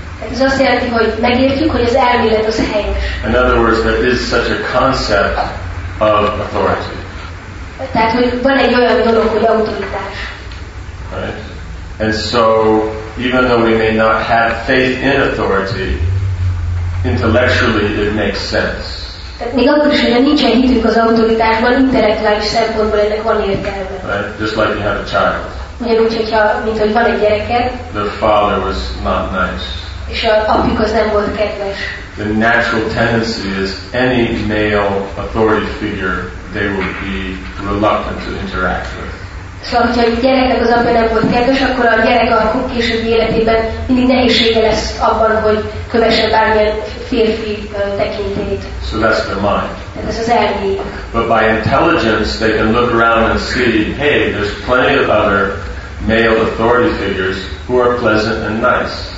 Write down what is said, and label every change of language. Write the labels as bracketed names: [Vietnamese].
[English] In other words, there is such a concept of authority. Right? And so, even though we may not have faith in authority, intellectually it makes sense. [Hungarian] Még akkor is, hogyha nincsen hitünk az autoritásban, intellektuális szempontból ennek van értelme. [English] Right? Just like you have a child. [Hungarian] Ugyanúgy, hogyha, mint hogy van egy gyereked. [English] The father was not nice. [Hungarian] és a apjukhoz nem volt kedves. [English] The natural tendency is any male authority figure they would be reluctant to interact with. [Hungarian] Szóval, hogyha egy gyereknek az apja nem volt kedves, akkor a gyerek a későbbi életében mindig nehézsége lesz abban, hogy kövesse bármilyen férfi tekintélyt. [English] So that's their mind. [Hungarian] Tehát ez az elmény. [English] But by intelligence, they can look around and see, hey, there's plenty of other male authority figures who are pleasant and nice.